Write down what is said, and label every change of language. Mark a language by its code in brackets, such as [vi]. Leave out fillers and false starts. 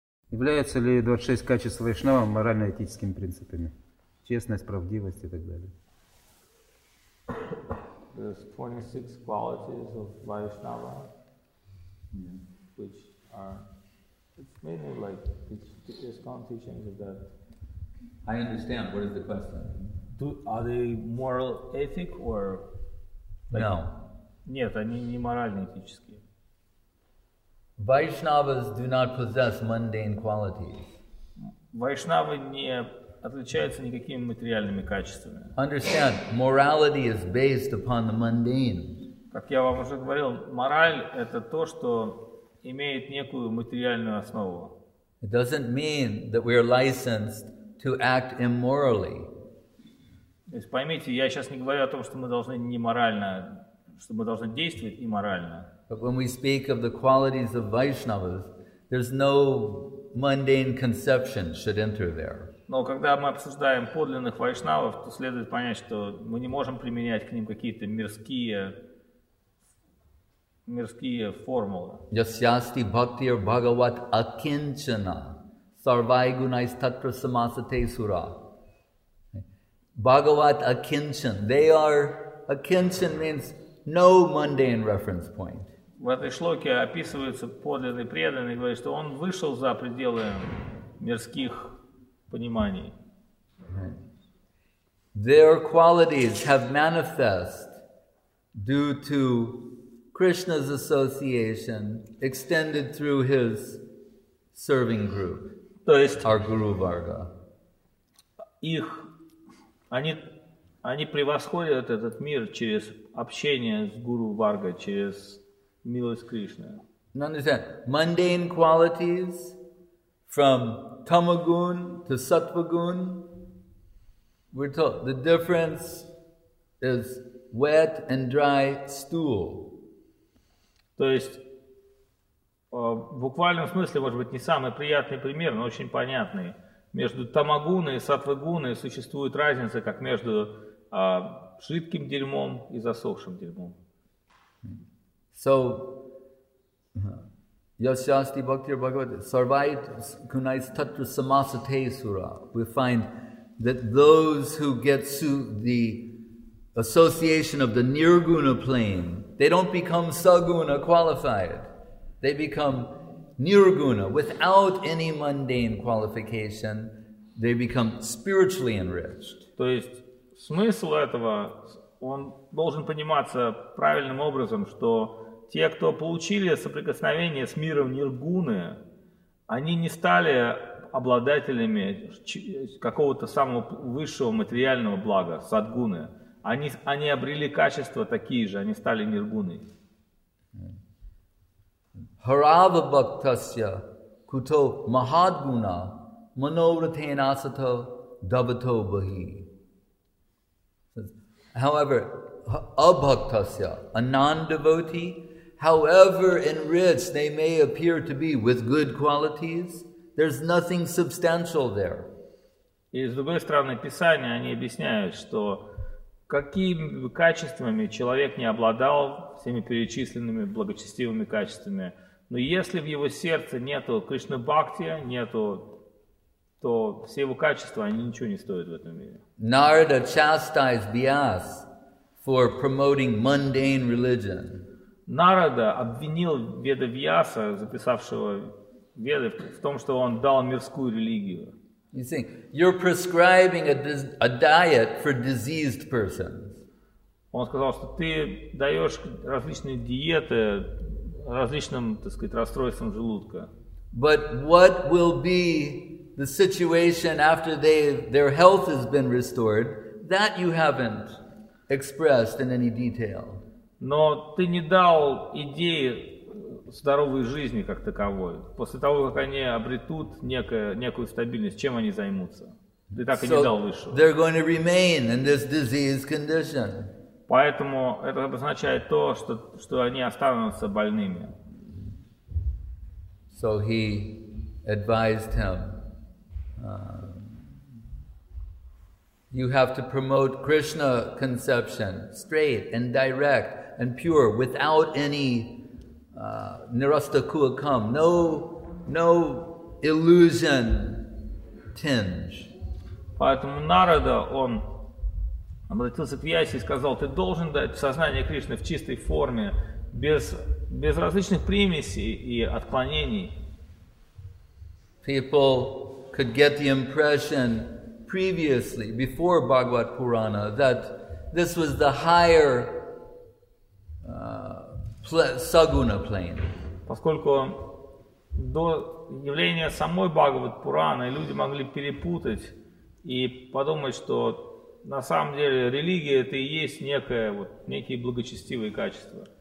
[ru] Является ли 26 качеств вайшнава морально-этическими принципами? Честность, правдивость и так далее. [en] There's 26 qualities of Vaishnava, which are, it's mainly like, it's gone teachings of that. I understand. What is the question? Are they moral, ethic, or? Like, no. [ru] Нет, они не морально-этические. [en] Vaishnavas do not possess mundane qualities. [ru] Vaishnavы не отличаются никакими материальными качествами. [en] Understand, morality is based upon the mundane. [ru] Как я вам уже говорил, мораль — это то, что имеет некую материальную основу. [en] It doesn't mean that we are licensed to act immorally. [ru] То есть поймите, я сейчас не говорю о том, что мы должны не морально, что мы должны действовать иморально. [en] But when we speak of the qualities of Vaishnavas, there's no mundane conception should enter there. [ru] Но когда мы обсуждаем подлинных вайшнавов, то следует понять, что мы не можем применять к ним какие-то мирские формулы. [sa] Yasyasti bhaktir bhagavat akinchana sarvai gunais tatra samasate sura. Bhagavat akinchan. [en] They are, akinchan means no mundane reference point. [ru] В этой шлоке описывается подлинный преданный, говорит, что он вышел за пределы мирских пониманий. [en] Their qualities have manifest due to Krishna's association extended through his serving group, [ru] то есть, [en] our Guru Varga. [ru] Их, они превосходят этот мир через общение с Гуру Варга, через милость Кришны. [en] Understand? Mundane qualities from tamagun to sattvagun. We're told the difference is wet and dry stool. [ru] То есть в буквальном смысле, может быть, не самый приятный пример, но очень понятный. Между тамагуной и сатвагуной существует разница, как между жидким дерьмом и засохшим дерьмом. [sa] So, yasyasti bhaktir bhagavat sarvai kunais tatra samasate sura. [en] We find that those who get to the association of the nirguna plane, they don't become saguna qualified. They become nirguna. Without any mundane qualification, they become spiritually enriched. [ru] То есть смысл этого, он должен пониматься правильным образом, что те, кто получили соприкосновение с миром Ниргуны, они не стали обладателями какого-то самого высшего материального блага, садгуны. Они обрели качества такие же, они стали Ниргуны. [sa] Харава бхактасья куто махадгуна манавратенасато дабато бхи. [en] However, абхактасья, a non-devotee, however enriched they may appear to be with good qualities, there's nothing substantial there. [ru] И с другой стороны, Писание, они объясняют, что какими качествами человек не обладал, всеми перечисленными благочестивыми качествами, но если в его сердце нету Кришны Бхакти, нету, то все его качества, они ничего не стоят в этом мире. [en] Narada chastised Vyas for promoting mundane religion. [ru] Нарада обвинил Веда Вьяса, записавшего Веды, в том, что он дал мирскую религию. [en] You see, you're prescribing a diet for diseased persons. [ru] Он сказал, что ты даешь различные диеты различным, так сказать, расстройствам желудка. [en] But what will be the situation after their health has been restored, that you haven't expressed in any detail. [ru] Но ты не дал идеи здоровой жизни как таковой. После того, как они обретут некую стабильность, чем они займутся? Ты так и не дал высшего. [en] They're going to remain in this disease condition. [ru] Поэтому это обозначает то, что они останутся больными. [en] So he advised him, you have to promote Krishna conception straight and direct and pure, without any nirastakuakam, no illusion tinge. [ru] Поэтому Нарада, он обратился к Вьясе и сказал, ты должен дать сознание Кришны в чистой форме, без, без различных примесей и отклонений. [en] People could get the impression previously, before Bhagavad Purana, that this was the higher saguna plane. [ru] Поскольку до явления самой Бхагавад Пурана люди могли перепутать и подумать, что на самом деле религия это и есть некое, вот, некие благочестивые качества.